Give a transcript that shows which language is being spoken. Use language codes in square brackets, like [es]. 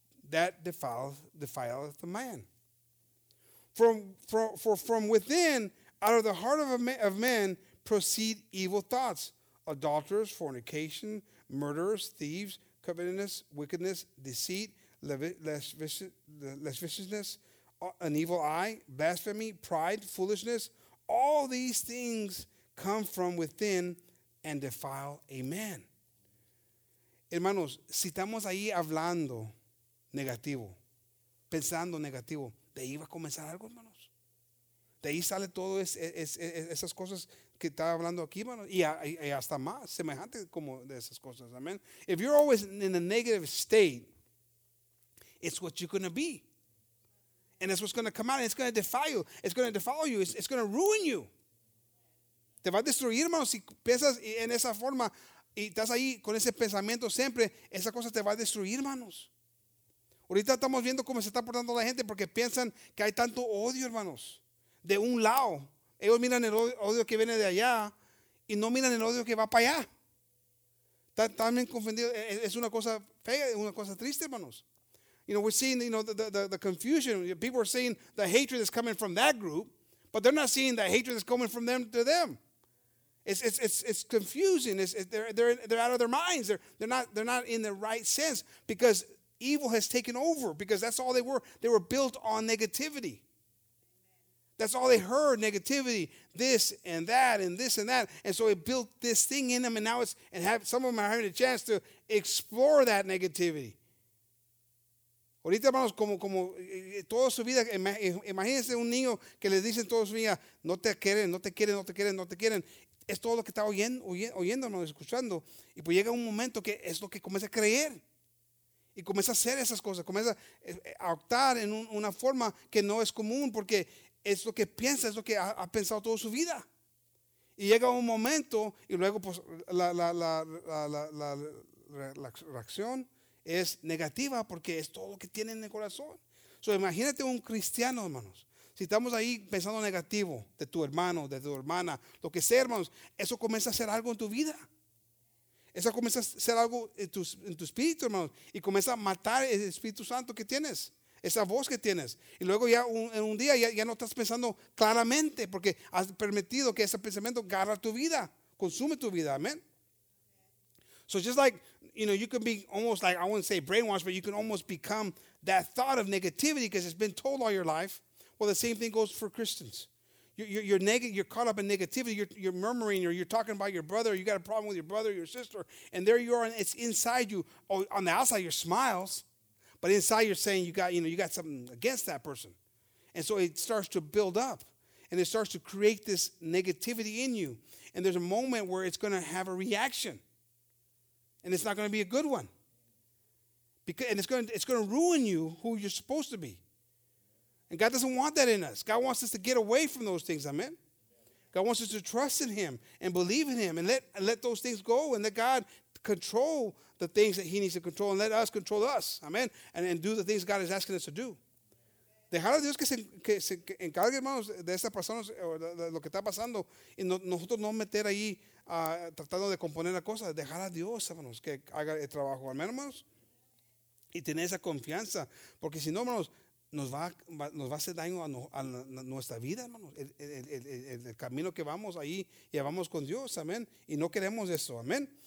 [en] that defileth the man. From within, out of the heart of men proceed evil thoughts, adulterers, fornication, murderers, thieves, covetousness, wickedness, deceit, lasciviousness, an evil eye, blasphemy, pride, foolishness. All these things come from within and defile a man. [es] Hermanos, si estamos ahí hablando negativo, pensando negativo, de ahí va a comenzar algo, hermanos. De ahí sale todo esas cosas que estaba hablando aquí, hermanos. Y hasta más, semejante como de esas cosas. Amen. [en] If you're always in a negative state, it's what you're going to be. And that's what's going to come out. And it's going to defile you. It's going to defile you. It's going to ruin you. [es] Te va a destruir, hermanos, si piensas en esa forma y estás ahí con ese pensamiento siempre. Esa cosa te va a destruir, hermanos. Ahorita estamos viendo cómo se está portando la gente porque piensan que hay tanto odio, hermanos. De un lado, ellos miran el odio que viene de allá y no miran el odio que va para allá. Están bien confundidos. Es una cosa fea, una cosa triste, hermanos. [en] You know, we're seeing, you know, the confusion. People are seeing the hatred that's coming from that group, but they're not seeing the hatred that's coming from them to them. It's confusing. They're out of their minds. They're not in the right sense because evil has taken over because that's all they were. They were built on negativity. That's all they heard, negativity, this and that and this and that. And so it built this thing in them, and now some of them are having a chance to explore that negativity. [es] Ahorita, hermanos, como toda su vida, imagínense un niño que le dicen toda su vida, no te quieren, no te quieren, no te quieren, no te quieren. Es todo lo que está oyéndonos, escuchando. Y pues llega un momento que es lo que comienza a creer. Y comienza a hacer esas cosas. Comienza a actuar en una forma que no es común porque es lo que piensa, es lo que ha pensado toda su vida. Y llega un momento y luego pues la reacción es negativa porque es todo lo que tiene en el corazón. So, imagínate un cristiano, hermanos. Si estamos ahí pensando negativo de tu hermano, de tu hermana, lo que sea, hermanos, eso comienza a hacer algo en tu vida. Eso comienza a hacer algo en tu espíritu, hermanos, y comienza a matar el Espíritu Santo que tienes, esa voz que tienes. Y luego ya en un día ya no estás pensando claramente porque has permitido que ese pensamiento agarre tu vida, consume tu vida, amén. [en] So just like, you know, you can be almost like, I wouldn't say brainwashed, but you can almost become that thought of negativity because it's been told all your life. Well, the same thing goes for Christians. You're caught up in negativity. You're murmuring or you're talking about your brother. You got a problem with your brother, your sister. And there you are, and it's inside you. Oh, on the outside, your smiles. But inside, you're saying you got something against that person. And so it starts to build up. And it starts to create this negativity in you. And there's a moment where it's going to have a reaction. And it's not going to be a good one. And it's going to ruin you who you're supposed to be. And God doesn't want that in us. God wants us to get away from those things. Amen. God wants us to trust in Him and believe in Him and let those things go and let God control the things that He needs to control and let us control us. Amen. And do the things God is asking us to do. [es] Dejar a Dios que se encargue, hermanos, de esta persona, lo que está pasando, y nosotros no meter ahí tratando de componer la cosa. Dejar a Dios, hermanos, que haga el trabajo, hermanos, y tener esa confianza, porque si no, hermanos, nos va a hacer daño a nuestra vida, hermanos, el camino que vamos ahí, llevamos con Dios, amén, y no queremos eso, amén.